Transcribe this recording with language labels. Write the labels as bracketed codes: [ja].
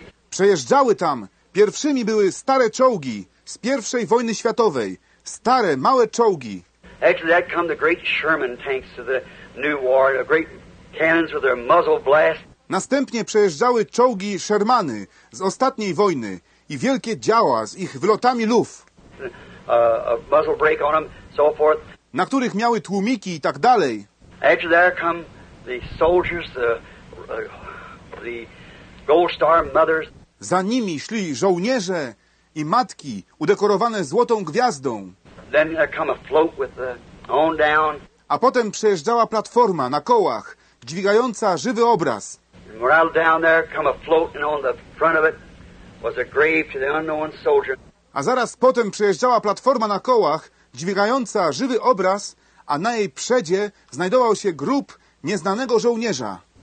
[pl] Przejeżdżały tam, pierwszymi były stare czołgi z pierwszej wojny światowej. Stare, małe czołgi. [en] Actually, that come the great Sherman tanks of the new war, the great cannons with their muzzle blast. [pl] Następnie przejeżdżały czołgi Shermany z ostatniej wojny i wielkie działa z ich wylotami luf. [en] Muzzle brake on them, so forth. [pl] Na których miały tłumiki i tak dalej. [en] After there come the soldiers, the Gold Star mothers. [pl] Za nimi szli żołnierze i matki udekorowane złotą gwiazdą. [en] Then there come a float with the on down. [pl] A potem przejeżdżała platforma na kołach, dźwigająca żywy obraz. [en] And right down there come a float, and on the front of it was a grave to the unknown soldier. [pl] A zaraz potem przejeżdżała platforma na kołach, dźwigająca żywy obraz, a na jej przedzie znajdował się grób nieznanego żołnierza.